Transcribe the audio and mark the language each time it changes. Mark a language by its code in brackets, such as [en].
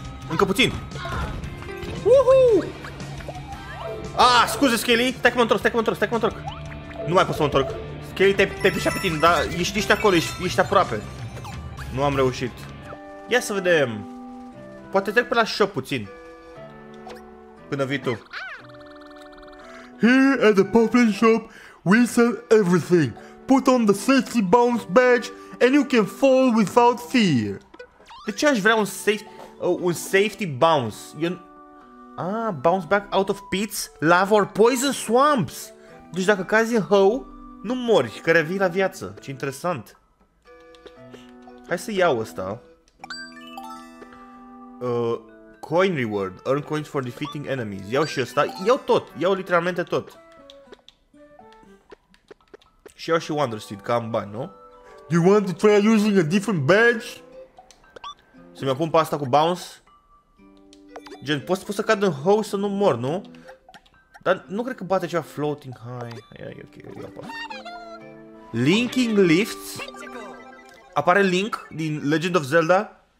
[ro] Încă puțin. Woohoo! Ah, scuze, Skelly, stai că mă întorc, stai că mă întorc, stai că mă întorc. Nu mai pot să mă întorc. Skelly, te-ai pișat pe tine, dar ești acolo, ești aproape. Nu am reușit. Ia să vedem. Poate trec pe la shop puțin. Până vii tu. [en] Here at the Puffin Shop, we sell everything. Put on the safety bounce badge and you can fall without fear. [ro] De ce aș vrea un safety bounce? [en] Bounce back out of pits, lava or poison swamps. [ro] Deci dacă cazi în hău, nu mori, că revii la viață. Ce interesant. Hai să iau ăsta. [en] Coin reward, earn coins for defeating enemies. [ro] Iau și ăsta, iau tot, iau literalmente tot. Și iau și Wonder Seed, că am bani, nu? [en] Do you want to try using a different badge? [ro] Să-mi apun pe asta cu bounce? Gen, pot să cad în hole să nu mor, nu? Dar nu cred că bate ceva floating high. Ia, ok, iau pe. Linking lifts? Apare Link din Legend of Zelda?